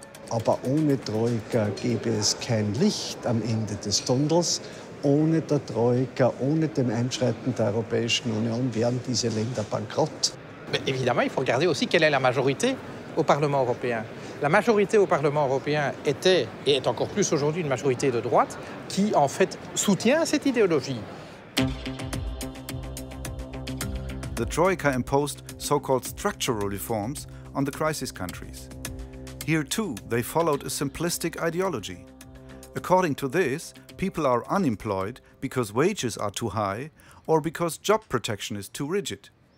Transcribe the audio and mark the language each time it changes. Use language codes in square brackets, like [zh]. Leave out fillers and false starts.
[de] Aber ohne Troika gäbe es kein Licht am Ende des Tunnels. Ohne der Troika, ohne dem Einschreiten der Europäischen Union, wären diese Länder bankrott. [fr] Mais évidemment, il faut regarder aussi quelle est la majorité au Parlement européen. La majorité au Parlement européen était, et est encore plus aujourd'hui, une majorité de droite qui, en fait, soutient cette idéologie. [en] The Troika imposed so-called structural reforms on the crisis countries. Here, too, they followed a simplistic ideology. According to this, people are unemployed because wages are too high or because job protection is too rigid.